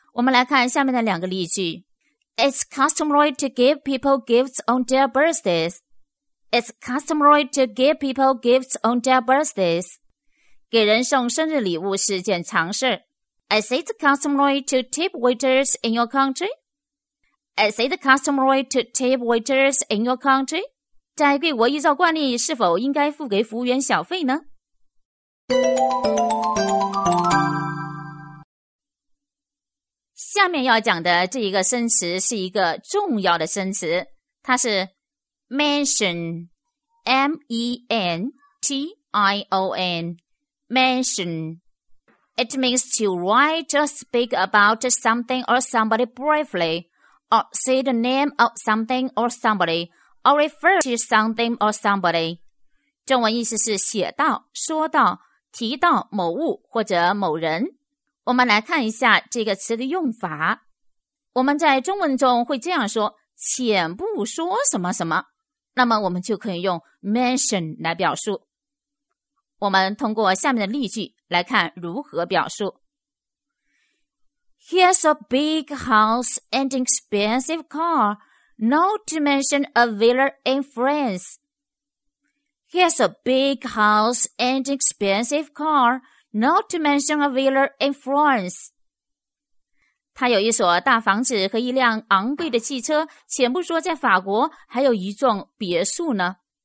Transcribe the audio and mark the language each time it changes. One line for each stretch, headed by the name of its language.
Chinese: 我们来看下面的两个例句。
English: It's customary to give people gifts on their birthdays. It's customary to give people gifts on their birthdays.
Chinese: 给人送生日礼物是件常事。
English: Is it customary to tip waiters in your country? Is it customary to tip waiters in your country?
Chinese: 在贵国依照惯例，是否应该付给服务员小费呢？下面要讲的这一个生词是一个重要的生词，它是 mention， M-E-N-T-I-O-N， mention。
English: It means to write or speak about something or somebody briefly, or say the name of something or somebody, or refer to something or somebody.
Chinese: 中文意思是写到、说到、提到某物或者某人。我们来看一下这个词的用法。我们在中文中会这样说，浅不说什么什么，那么我们就可以用 mention 来表述。我们通过下面的例句来看如何表述。
English: Here's a big house and expensive car, not to mention a villa in France. Here's a big house and expensive car, not to mention a villa in France.
Chinese: 他有一所大房子和一辆昂贵的汽车，且不说在法国还有一幢别墅呢。